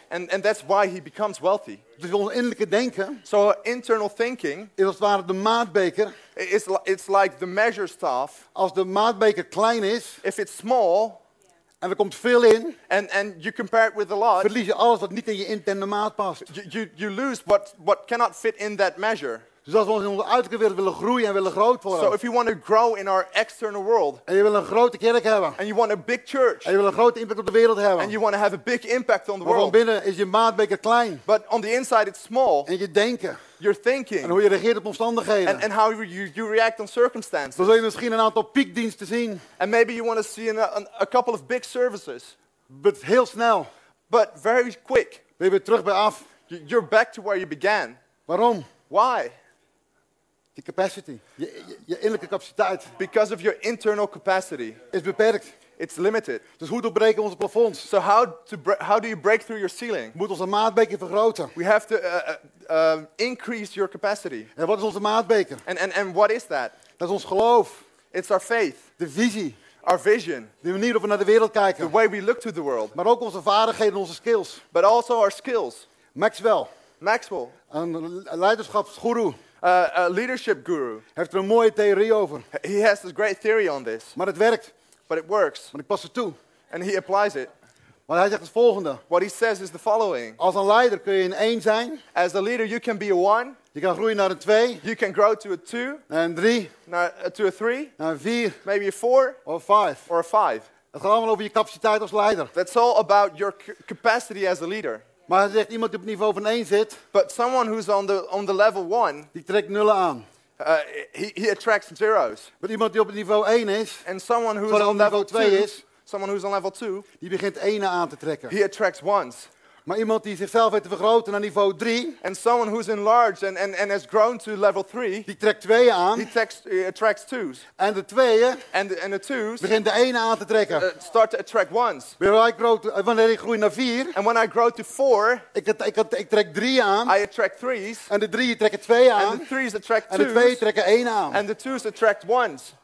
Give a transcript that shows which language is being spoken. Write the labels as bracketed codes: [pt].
[en] And that's why he becomes wealthy. [nl] Dus ons innerlijke denken. [en] So internal thinking. [nl] Is als het ware de maatbeker. [en] It's like the measure staff. [nl] Als de maatbeker klein is. [en] If it's small. [nl] En er komt veel in. [en] And you compare it with a lot. [nl] Verlies je alles wat niet in je interne maat past. [en] You lose what cannot fit in that measure. [nl] Dus als we ons in onze uiterlijke wereld willen groeien en willen groot worden. [en] So if you want to grow in our external world. [nl] En je wil een grote kerk hebben. [en] And you want a big church. [nl] En je wil een grote impact op de wereld hebben. [en] And you want to have a big impact on the world. [nl] Maar van binnen is je maatbeker klein. [en] But on the inside it's small. [nl] En je denken. [en] Your thinking. [nl] En hoe je reageert op omstandigheden. [en] And how you react on circumstances. [nl] Dan zul je misschien een aantal piekdiensten zien. [en] And maybe you want to see a couple of big services. [nl] But heel snel. [en] But very quick. [nl] Ben je weer terug bij af. [en] You're back to where you began. [nl] Waarom? [en] Why? [nl] Je capacity. Je innerlijke capaciteit. [en] Because of your internal capacity. [nl] Is beperkt. [en] It's limited. [nl] Dus hoe doorbreken onze plafonds? [en] So how do you break through your ceiling? [nl] Moet onze maatbeker vergroten. [en] We have to increase your capacity. [nl] En wat is onze maatbeker? [en] And what is that? [nl] Dat is ons geloof. [en] It's our faith. [nl] De visie. [en] Our vision. [nl] De manier waarop we naar de wereld kijken. [en] The way we look to the world. [nl] Maar ook onze vaardigheden, onze skills. [en] But also our skills. [nl] Maxwell. Een leiderschapsguru. [en] A leadership guru. [nl] Heeft er een mooie theorie over. [en] He has this great theory on this. [nl] Maar het werkt. [en] But it works. [nl] Maar ik pas het toe. [en] And he applies it. [nl] Maar hij zegt het volgende. [en] What he says is the following. [nl] Als een leider kun je een 1 zijn. [en] As a leader you can be a 1. [nl] Je kan groeien naar een 2. [en] You can grow to a 2. [nl] Naar een 3. [en] To a 3. [nl] Naar een 4. [en] Maybe a 4. [nl] Of a 5. [en] Or a 5. [nl] Het gaat allemaal over je capaciteit als leider. [en] That's all about your capacity as a leader. [nl] Maar hij zegt, iemand die op niveau van 1 zit. [en] But someone who's on the level 1. [nl] Die trekt nullen aan. [en] He attracts zeros. [nl] Maar iemand die op niveau 1 is. [en] And someone who's on level 2 is. Someone who's on level 2. [nl] Die begint 1 aan te trekken. [en] He attracts ones. [nl] Maar iemand die zichzelf heeft vergroten naar niveau 3, [en] and someone who's enlarged and has grown to level 3, [nl] die trekt tweeën aan. [en] He attracts twos. [nl] En de tweeën [en] and the twos [nl] begint de ene aan te trekken. [en] Start to attract ones. [nl] Wanneer ik groei naar 4, [en] and when I grow to 4, [nl] ik trek 3 aan. [en] I attract threes. [nl] En de 3 trekken 2 aan. [en] And the threes attract twos. [nl] En de 2 trekken 1 aan. [en] And the twos attract ones.